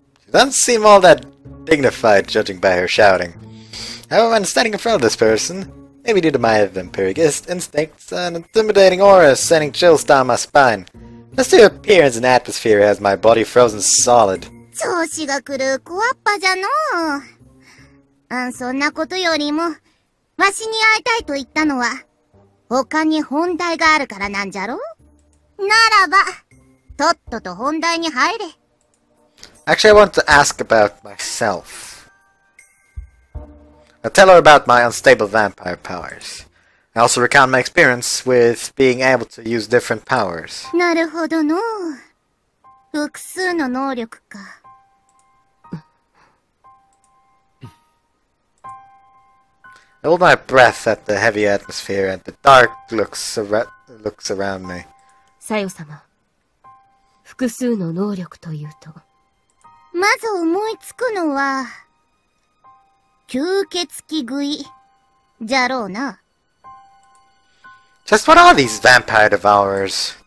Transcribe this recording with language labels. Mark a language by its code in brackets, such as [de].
[en] She doesn't seem all that dignified judging by her shouting. However, when standing in front of this person, maybe due to my vampiricist instincts, an intimidating aura is sending chills down my spine.Just your appearance and atmosphere has my body frozen solid. [ja] 調子が狂うコアッパじゃのう。あん、そんなことよりも、わしに会いたいと言ったのは、他に本題があるからなんじゃろ？ならば、とっとと本題に入れ。 [en] Actually, I want to ask about myself. I tell her about my unstable vampire powers. I also recount my experience with being able to use different powers. [ja] なるほどの。複数の能力か。 [en] I hold my breath at the heavy atmosphere and the dark looks around me. [ja] さよ様、複数の能力というと、まず思いつくのは、吸血鬼食いじゃろうな。 [en] Just what are these vampire devourers?